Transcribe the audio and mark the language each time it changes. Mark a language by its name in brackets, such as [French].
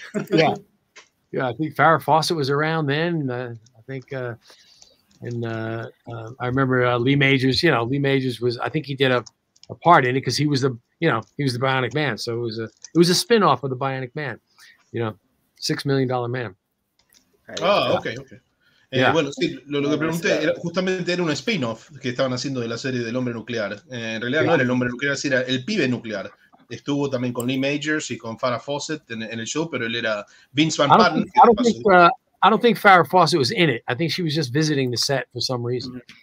[English] yeah. I think Farrah Fawcett was around then. I remember Lee Majors. You know, Lee Majors was. I think he did a part in it because he was the Bionic Man, so it was a spin-off of the Bionic Man, you know, $6 Million Man. Okay. [Spanish] Bueno, sí, lo que pregunté era justamente era un spin-off que estaban haciendo de la serie del Hombre Nuclear. En realidad no era el Hombre Nuclear, era el Pibe Nuclear. Estuvo también con Lee Majors y con Farrah Fawcett en el show, pero él era Vince Van Patten. [English] I don't think Farrah Fawcett was in it. I think she was just visiting the set for some reason.